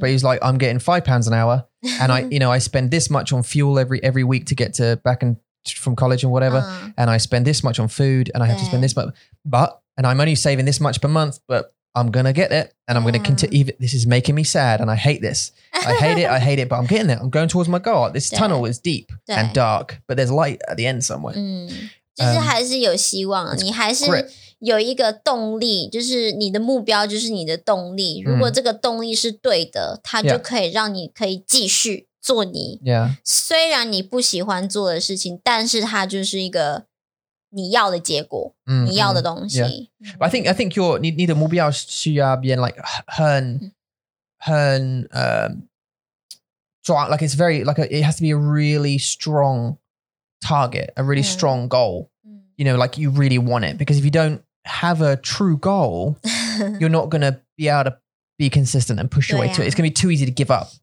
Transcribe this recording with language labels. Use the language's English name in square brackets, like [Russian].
[English] But he's like, I'm getting £5 an hour and I, you know, I spend this much on fuel every week to get to back and from college and whatever. And I spend this much on food and I have to spend this much, and I'm only saving this much per month, but I'm going to get it. And I'm going to continue. This is making me sad. And I hate this. I hate it, but I'm getting there. I'm going towards my goal. This tunnel is deep and dark, but there's light at the end somewhere. [Chinese] 就是还是有希望，你还是有一个动力，就是你的目标就是你的动力，如果这个动力是对的，它就可以让你可以继续做你虽然你不喜欢做的事情，但是它就是一个你要的结果，你要的东西。 [English] But I think your [Chinese] 你的目标需要变 [English] like [Chinese] 很 [English] strong, like it's very like it has to be a really strong target, a really strong goal. You know, like you really want it, because if you don't have a true goal, you're not gonna be able to be consistent and push your way to it. It's gonna be too easy to give up.